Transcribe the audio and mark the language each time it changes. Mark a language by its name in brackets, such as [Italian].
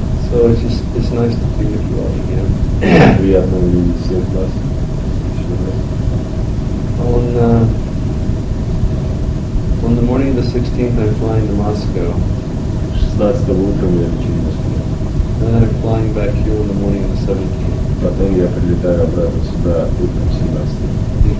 [English] So it's nice to be with you all again. [Russian] Приятно увидеть всех вас еще раз. [English] On the morning of the 16th I'm flying to Moscow. [Russian] 16-го утром я лечу в Москву. [English] Then I'm flying back here on the morning of the 17th. [Russian] Потом я прилетаю обратно сюда утром 17-го.